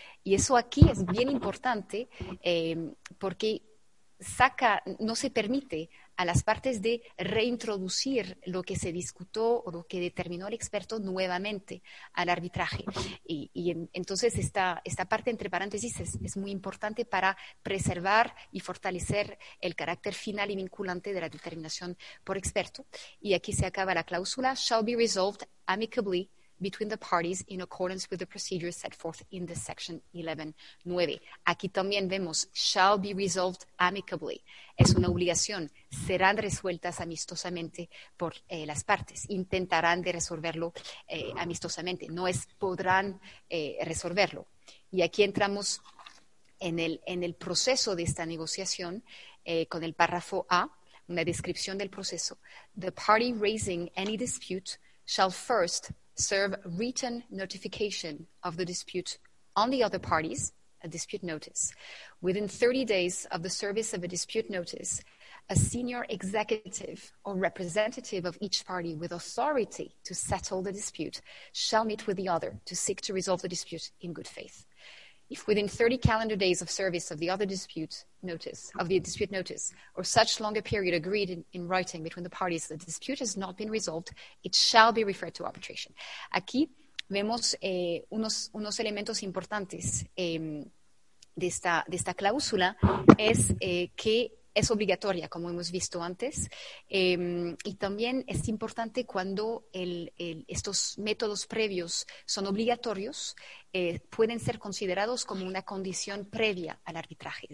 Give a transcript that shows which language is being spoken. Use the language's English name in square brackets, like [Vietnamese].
[Spanish] Y eso aquí es bien importante porque no se permite a las partes de reintroducir lo que se discutió o lo que determinó el experto nuevamente al arbitraje. Y entonces esta parte, entre paréntesis, es muy importante para preservar y fortalecer el carácter final y vinculante de la determinación por experto. Y aquí se acaba la cláusula: [English] shall be resolved amicably between the parties in accordance with the procedures set forth in the section 11.9. [Spanish] Aquí también vemos [English] shall be resolved amicably. [Spanish] Es una obligación. Serán resueltas amistosamente por las partes. Intentarán de resolverlo amistosamente. No es podrán resolverlo. Y aquí entramos en el proceso de esta negociación con el párrafo A, una descripción del proceso. [English] The party raising any dispute shall first serve written notification of the dispute on the other parties, a dispute notice. Within 30 days of the service of a dispute notice, a senior executive or representative of each party with authority to settle the dispute shall meet with the other to seek to resolve the dispute in good faith. If within 30 calendar days of service of the dispute notice, or such longer period agreed in writing between the parties, the dispute has not been resolved, it shall be referred to arbitration. [Spanish] Aquí vemos unos elementos importantes de esta cláusula es que es obligatoria, como hemos visto antes, y también es importante cuando estos métodos previos son obligatorios, pueden ser considerados como una condición previa al arbitraje.